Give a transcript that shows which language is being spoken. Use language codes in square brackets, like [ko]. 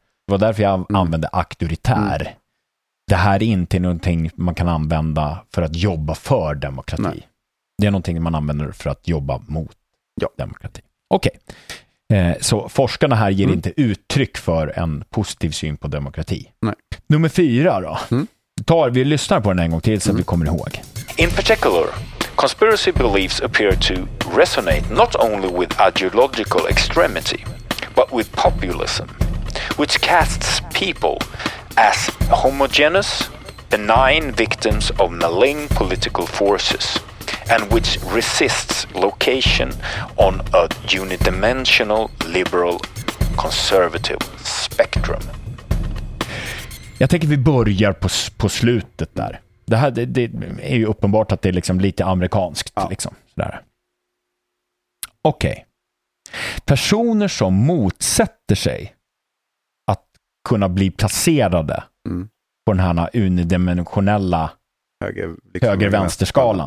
[sv] Det var därför jag använde auktoritär. Mm. Det här är inte någonting man kan använda för att jobba för demokrati. Nej. Det är någonting man använder för att jobba mot demokrati. Okej. Okay. Så forskarna här ger inte uttryck för en positiv syn på demokrati. Nej. Nummer 4 då. Mm. Vi lyssnar på den en gång till så att vi kommer ihåg. [en] In particular, conspiracy beliefs appear to resonate not only with ideological extremity, but with populism, which casts people as homogeneous, benign victims of malign political forces, and which resists location on a unidimensional liberal conservative spectrum. [sv] Jag tänker vi börjar på slutet där. Det här det är ju uppenbart att det är liksom lite amerikanskt. Ja. Liksom, okej. Okay. Personer som motsätter sig att kunna bli placerade på den här unidimensionella höger-vänsterskalan.